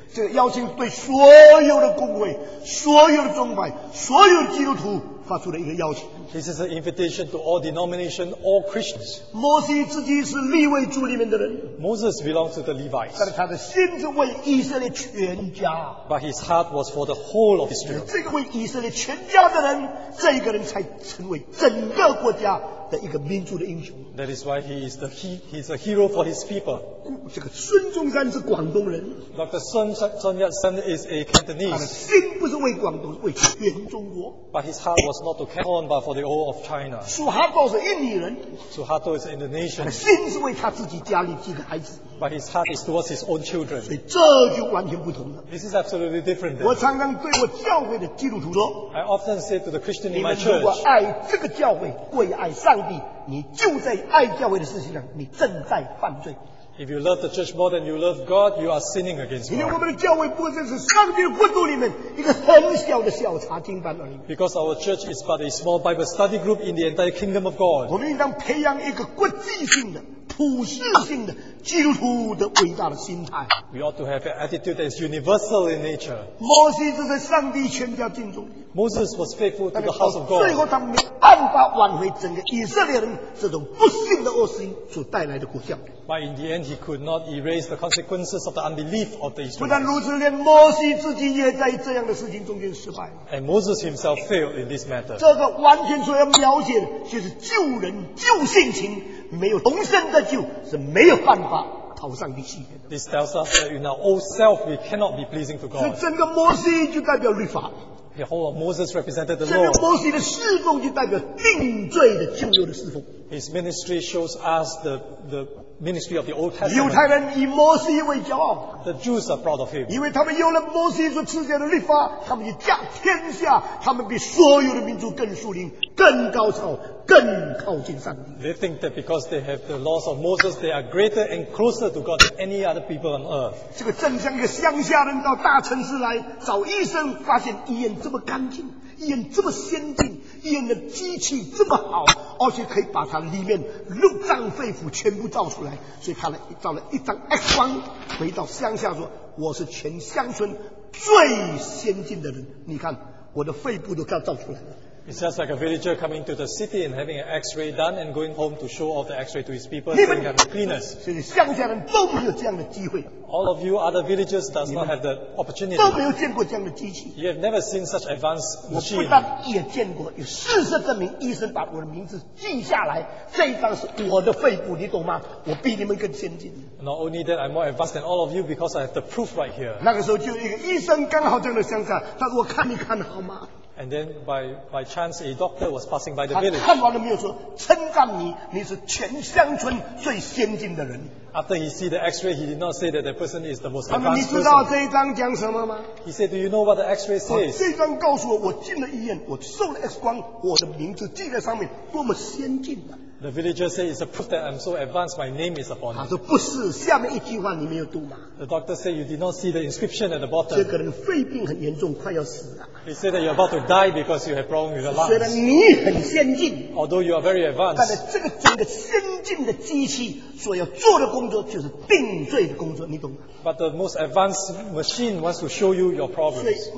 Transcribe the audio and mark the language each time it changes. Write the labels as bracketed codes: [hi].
[zh] 这个邀请对所有的公会、所有的宗派、所有基督徒发出了一个邀请。 [en] This is an invitation to all denominations, all Christians. [zh] 摩西自己是利未族里面的人。 [en] Moses belongs to the Levites. [zh] 但是他的心是为以色列全家。 [en] But his heart was for the whole of Israel. [zh] 这个为以色列全家的人，这一个人才成为整个国家的一个民族的英雄。 [en] That is why he is a hero for his people. [zh] 这个孙中山是广东人。 [en] Dr. Sun Yat-sen is a Cantonese. [zh] 他的心不是为广东，为全中国。 [en] But his heart was not to Canton, but for the whole of China. Suharto is an Indian 人。 Suharto is an Indonesian. [zh] 他的心是为他自己家里几个孩子。 [en] But his heart is towards his own children. [zh] 所以这就完全不同了。 [en] This is absolutely different. [zh] 我常常对我教会的基督徒说。 [en] I often say to the Christian in my church. [zh] 你们如果爱这个教会，过于爱上帝。你就在爱教会的事情上，你正在犯罪。 [en] If you love the church more than you love God, you are sinning against God. [zh] 因为我们的教会不只是上帝的国度里面一个很小的小查经班而已。 [en] Because our church is but a small Bible study group in the entire kingdom of God. [zh] 我们应当培养一个国际性的、普世性的基督徒的伟大的心态。 [en] We ought to have an attitude that is universal in nature. [zh] 摩西就是上帝全家敬重。 [en] Moses was faithful to the house of God. [zh] 最后他没办法挽回整个以色列人这种不幸的恶行所带来的果效。 [en] But in the end, he could not erase the consequences of the unbelief of the Israelites. [zh] 不但如此，连摩西自己也在这样的事情中间失败。 [en] And Moses himself failed in this matter. [zh] 这个完全所要描写的就是救人救性情，没有重生的救是没有办法讨上帝喜悦的。 [en] This tells us that in our old self, we cannot be pleasing to God. [zh] 所以整个摩西就代表律法。 [en] The whole of Moses represented the law. [zh] 摩西的侍奉就代表定罪的救赎的侍奉。 [en] His ministry shows us the ministry of the Old Testament. [zh] 犹太人以摩西为骄傲。 [en] The Jews are proud of him. [zh] 因为他们有了摩西所赐下的律法，他们就驾天下，他们比所有的民族更属灵、更高超、更靠近上帝。 [en] They think that because they have the laws of Moses, they are greater and closer to God than any other people on earth. [zh] 这个正像一个乡下人到大城市来找医生，发现医院这么干净，医院这么先进。医院的机器这么好，而且可以把它里面六脏肺腑全部照出来，所以他来照了一张 X 光，回到乡下说：“我是全乡村最先进的人，你看我的肺部都给照出来了。” [en] It's just like a villager coming to the city and having an X-ray done and going home to show off the X-ray to his people, saying that they're cleaners. [zh] 所以乡下人都没有这样的机会。 [en] All of you other villagers does not have the opportunity. [zh] 都没有见过这样的机器。 [en] You have never seen such advanced machine. [zh] 我不但也见过，有事实证明，医生把我的名字记下来，这一张是我的肺部，你懂吗？我比你们更先进。 [en] Not only that, I'm more advanced than all of you because I have the proof right here. [zh] 那个时候就一个医生刚好在那乡下，他说：“我看一看好吗？” [en] And then by chance, a doctor was passing by the village. [zh] 他看完了没有说, 称赞你, 你是全乡村最先进的人。 [en] After he see the X-ray, he did not say that the person is the most advanced. [zh] 你知道这一张讲什么吗? [en] He said, "Do you know what the X-ray says?" [zh] 这张告诉我, 我进了医院, 我受了 X光, 我的名字记在上面, 多么先进的。 [en] The villager said, "It's a proof that I'm so advanced. My name is upon it." [zh] 他说不是, 下面一句话你没有读吗? [en] The doctor said, "You did not see the inscription at the bottom." [zh] 这个人肺病很严重, 快要死了。 [en] He said that you're about to die because you have problems with the lungs. [zh] 虽然你很先进, [en] although you are very advanced, [zh] 但是这个整个先进的机器所要做的工作就是定罪的工作, 你懂吗? [en] But the most advanced machine wants to show you your problems.